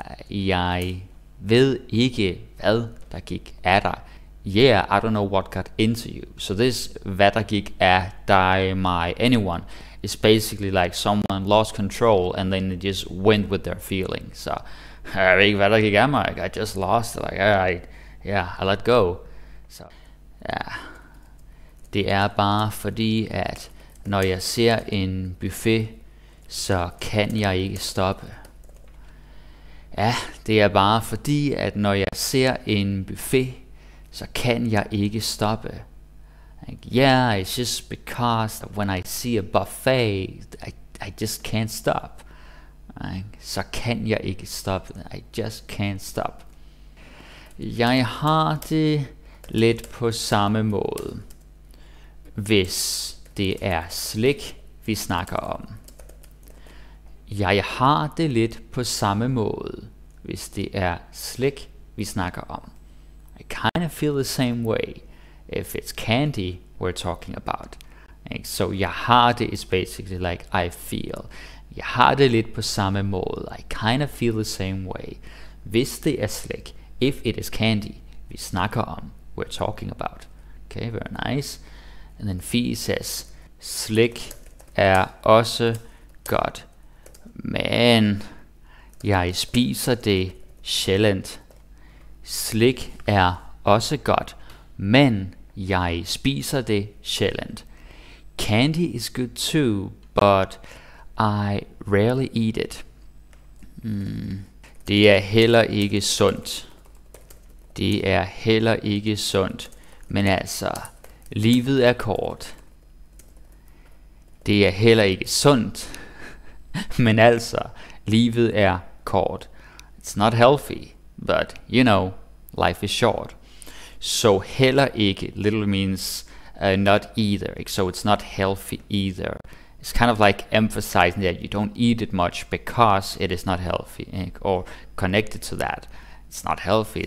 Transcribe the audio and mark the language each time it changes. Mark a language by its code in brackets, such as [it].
[da] Jeg ved ikke, hvad der gik af dig. [en] Yeah, I don't know what got into you. So this, [da] hvad der gik af dig, [en] my anyone, is basically like someone lost control and then they just went with their feelings. [da] So, jeg ved ikke, hvad der gik af mig. [en] I just lost it. Like, I let go. So, yeah. [da] Det er bare fordi, at når jeg ser en buffet, så kan jeg ikke stoppe. Ja, det er bare fordi, at når jeg ser en buffet, så kan jeg ikke stoppe. [en] Like, yeah, it's just because that when I see a buffet, I just can't stop. Like, [da] så kan jeg ikke stoppe. [en] I just can't stop. [da] Jeg har det lidt på samme måde. Hvis det er slik, vi snakker om. Jeg har det lidt på samme måde, hvis det er slik, vi snakker om. [en] I kind of feel the same way if it's candy we're talking about. Like, so [da] jeg har det [en] is basically like I feel. [da] Jeg har det lidt på samme måde. [en] I kind of feel the same way. [da] Hvis det er slik, [en] if it is candy, [da] vi snakker om, [en] we're talking about. Okay, very nice. And then Fie says, [da] slik er også godt, men jeg spiser det sjældent. Slik er også godt, men jeg spiser det sjældent. [en] Candy is good too, but I rarely eat it. [da] Det er heller ikke sundt. Det er heller ikke sundt, men altså... Livet er kort. Det er heller ikke sundt. Men altså, livet er kort. [en] It's not healthy, but you know, life is short. So heller ikke, little means not either. So it's not healthy either. it's kind of like emphasizing that you don't eat it much because it is not healthy, or connected to that, it's not healthy.